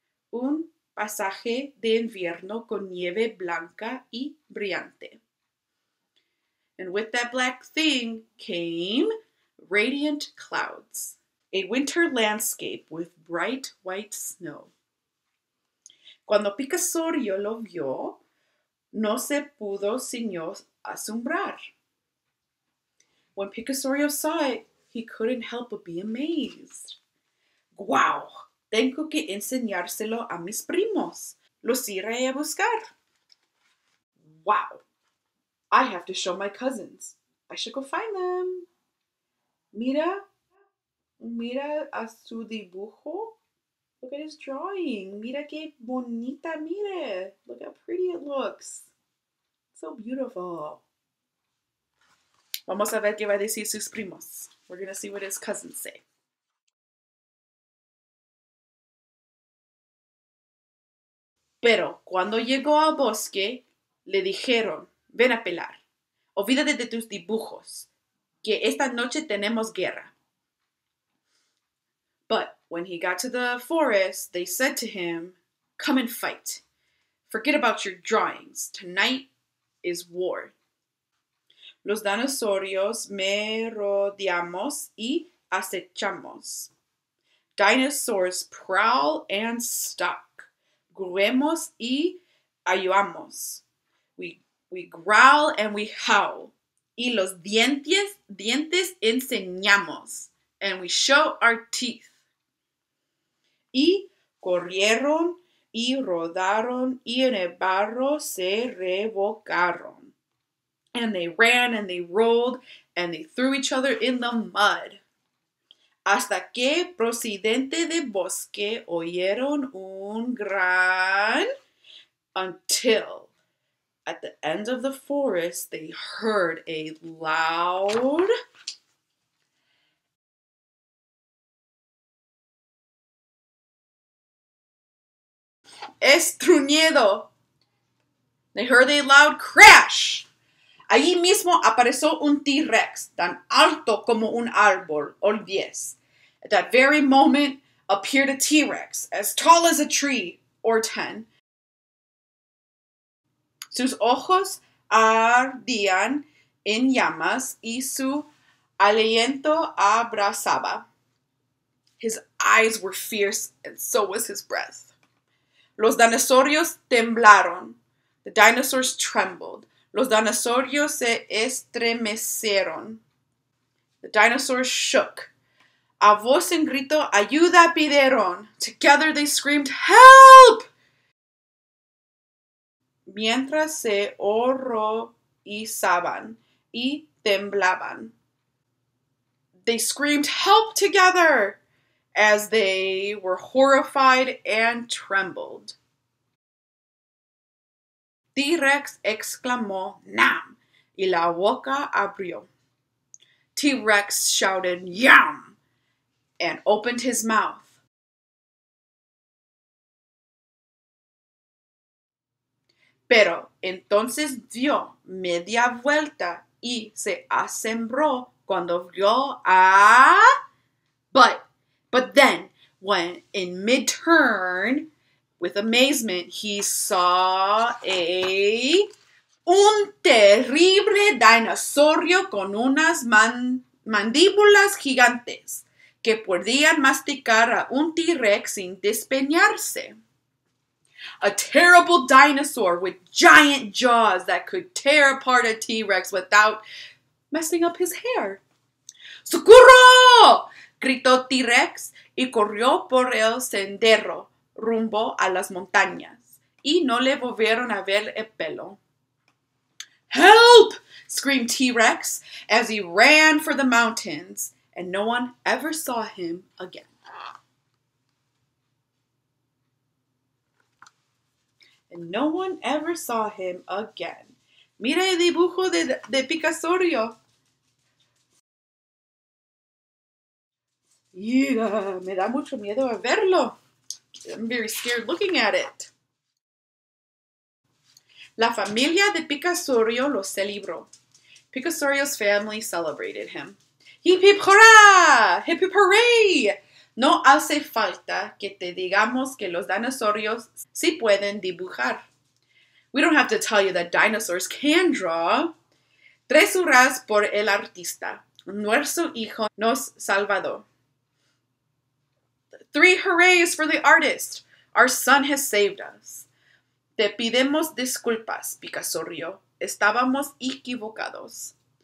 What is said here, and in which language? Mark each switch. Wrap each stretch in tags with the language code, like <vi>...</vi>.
<es>Un pasaje de invierno con nieve blanca y brillante.</es> <en>And with that black thing came radiant clouds, a winter landscape with bright white snow.</en> <es>Cuando Picasorio lo vio, no se pudo sino asombrar.</es> <en>When Picasorio saw it, he couldn't help but be amazed.</en> <es>Wow! Tengo que enseñárselo a mis primos. Los iré a buscar.</es> <en>Wow. I have to show my cousins. I should go find them.</en> <es>Mira. Mira a su dibujo.</es> <en>Look at his drawing.</en> <es>Mira qué bonita, mire.</es> <en>Look how pretty it looks. So beautiful.</en> <es>Vamos a ver qué va a decir sus primos.</es> <en>We're going to see what his cousins say.</en> <es>Pero cuando llegó al bosque, le dijeron, ven a pelar, olvídate de tus dibujos, que esta noche tenemos guerra.</es> <en>But when he got to the forest, they said to him, come and fight. Forget about your drawings. Tonight is war.</en> <es>Los dinosaurios merodeamos y acechamos.</es> <en>Dinosaurs prowl and stalk.</en> <es>Gruemos y ayudamos.</es> <en>We growl and we howl.</en> <es>Y los dientes enseñamos.</es> <en>And we show our teeth.</en> <es>Y corrieron y rodaron y en el barro se revolcaron.</es> <en>And they ran and they rolled and they threw each other in the mud.</en> <es>Hasta que procedente de bosque oyeron un gran.</es> <en>Until at the end of the forest they heard a loud.</en> <es>Estruñido.</es> <en>They heard a loud crash.</en> <es>Allí mismo apareció un T-Rex, tan alto como un árbol, o 10.</es> <en>At that very moment, appeared a T-Rex, as tall as a tree, or 10.</en> <es>Sus ojos ardían en llamas, y su aliento abrasaba.</es> <en>His eyes were fierce, and so was his breath.</en> <es>Los dinosaurios temblaron.</es> <en>The dinosaurs trembled.</en> <es>Los dinosaurios se estremecieron.</es> <en>The dinosaurs shook.</en> <es>A voz en grito, ayuda pidieron.</es> <en>Together they screamed, help!</en> <es>Mientras se horrorizaban y temblaban.</es> <en>They screamed, help together! As they were horrified and trembled.</en> <es>T-Rex exclamó, nam, y la boca abrió.</es> <en>T-Rex shouted, yam, and opened his mouth.</en> <es>Pero entonces dio media vuelta y se asombró cuando vio a...</es> <en>But then, when in mid-turn... With amazement, he saw</en> <es>a un terrible dinosaurio con unas mandíbulas gigantes que podían masticar a un T-Rex sin despeñarse.</es> <en>A terrible dinosaur with giant jaws that could tear apart a T-Rex without messing up his hair.</en> <es>¡Socorro! Gritó T-Rex y corrió por el sendero. Rumbo a las montañas, y no le volvieron a ver el pelo.</es> <en>Help! Screamed T-Rex as he ran for the mountains, and no one ever saw him again. And no one ever saw him again.</en> <es>Mira el dibujo de Picasso. Yeah, me da mucho miedo a verlo.</es> <en>I'm very scared looking at it.</en> <es>La familia de Picasso lo celebró.</es> <en>Picasso's family celebrated him. Hip hip hurra! Hip hip hooray!</en> <es>No hace falta que te digamos que los dinosaurios sí pueden dibujar.</es> <en>We don't have to tell you that dinosaurs can draw.</en> <es>Tres hurras por el artista. Nuestro hijo nos salvado.</es> <en>Three hurrays for the artist. Our son has saved us.</en> <es>Te pedimos disculpas, Picasso. Estábamos equivocados.</es>